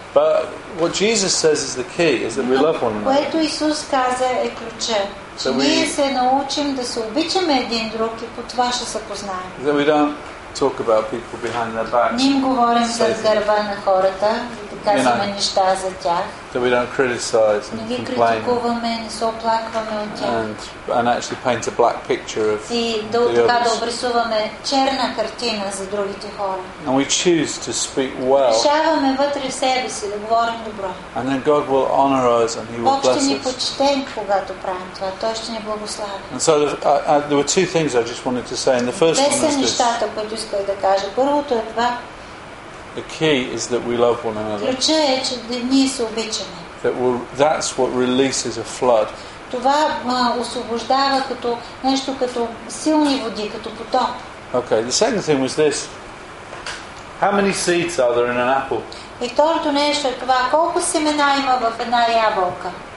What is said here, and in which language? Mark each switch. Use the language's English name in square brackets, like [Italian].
[English] But what Jesus says is the key is that we love one another. [Bulgarian] Което Исус каза е ключа. Че ние се научим да се обичаме един друг и по това ще се познаем. [English] Then we don't talk about people behind their backs. [Bulgarian] Ние говорим за гърба на хората и казваме неща за тях. [English] Then we don't criticize and complain. [Bulgarian] Не критикуваме, не се оплакваме от тях. [English] And actually paint a black picture of the others. [Bulgarian] И така да обрисуваме черна картина за другите хора. [English] And we choose to speak well. [Bulgarian] Решаваме вътре в себе си да говорим добро. [English] And then God will honor us and He will bless us. [Bulgarian] Бог ще ни почетем, когато правим това. Той ще ни благослави. [English] And so there were two things I just wanted to say. And the first one is this. [Bulgarian] Две са нещата, които исках да кажа. Първото е това. [English] The key is that we love one another. [Bulgarian] Ключа е, че ние се обичаме. [English] That's what releases a flood. [Bulgarian] Това освобождава като нещо като силни води, като поток. [English] Okay, the second thing was this. How many seeds are there in an apple? [Bulgarian] И второто нещо е това, колко семена има в една ябълка?